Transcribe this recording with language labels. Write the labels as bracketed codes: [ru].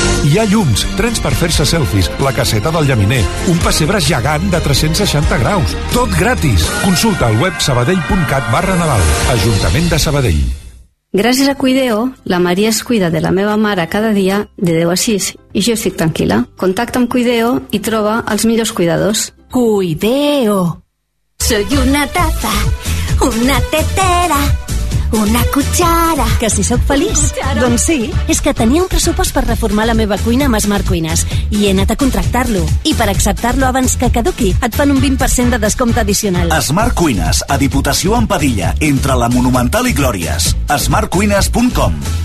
[ca] Hi ha llums, trens per fer-se selfies, la caseta del llaminer, un pessebre gegant de 360 graus. Tot gratis. Consulta el web sabadell.cat/Nadal. Ajuntament de Sabadell. Gràcies a Cuideo, la Maria es cuida de la meva mare cada dia de 10 a 6 i jo estic tranquil·la. Contacta amb Cuideo i troba els millors cuidadors. Cuideo. [es] Soy una taza, una tetera, una cuchara. [ca] Que si sóc feliç? Doncs sí. És que tenia un pressupost per reformar la meva cuina amb Smart Cuines i he anat a contractar-lo. I per acceptar-lo abans que caduqui, et fan un 20% de descompte addicional. Smart Cuines, a Diputació en Padilla, entre la Monumental i Glòries. smartcuines.com.